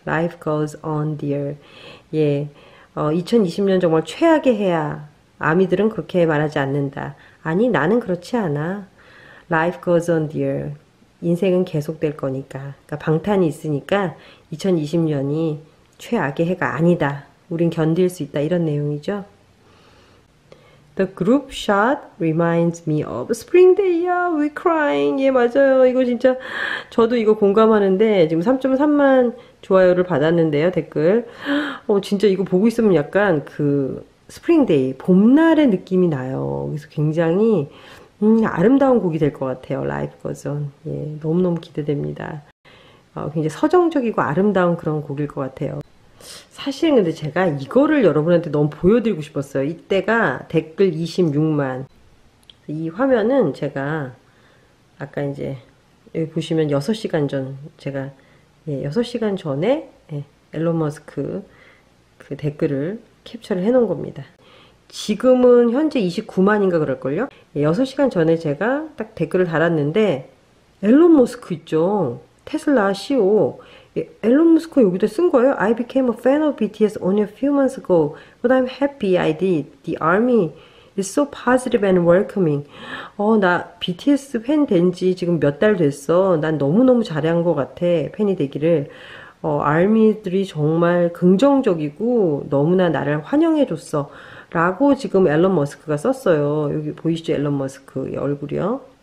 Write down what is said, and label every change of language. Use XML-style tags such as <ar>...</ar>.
<en>Life goes on, dear.</en> <ko>예, 2020년 정말 최악의 해야. 아미들은 그렇게 말하지 않는다. 아니, 나는 그렇지 않아.</ko> <en>Life goes on, dear.</en> <ko>인생은 계속될 거니까. 그러니까 방탄이 있으니까 2020년이 최악의 해가 아니다. 우린 견딜 수 있다. 이런 내용이죠.</ko> <en>The group shot reminds me of Spring Day. Yeah, we crying.</en> <ko>예, 맞아요. 이거 진짜 저도 이거 공감하는데 지금 3.3만 좋아요를 받았는데요, 댓글. 진짜 이거 보고 있으면 약간 그 Spring Day, 봄날의 느낌이 나요. 그래서 굉장히 아름다운 곡이 될것 같아요.</ko> <en>Life Goes On.</en> <ko>예, 너무너무 기대됩니다. 굉장히 서정적이고 아름다운 그런 곡일 것 같아요. 사실은 근데 제가 이거를 여러분한테 너무 보여드리고 싶었어요. 이때가 댓글 26만. 이 화면은 제가 아까 이제 여기 보시면 6시간 전, 제가 예, 6시간 전에 예, 앨런 머스크 그 댓글을 캡처를 해놓은 겁니다. 지금은 현재 29만인가 그럴걸요? 예, 6시간 전에 제가 딱 댓글을 달았는데 앨런 머스크 있죠? 테슬라 CEO. 예, 앨런 머스크 여기다 쓴 거예요?</ko> <en>I became a fan of BTS only a few months ago, but I'm happy I did. The army is so positive and welcoming.</en> <ko>나 BTS 팬된지 지금 몇달 됐어. 난 너무너무 잘한 것 같아, 팬이 되기를. ARMY들이 정말 긍정적이고 너무나 나를 환영해줬어. 라고 지금 앨런 머스크가 썼어요. 여기 보이시죠? 앨런 머스크의 얼굴이요.</ko>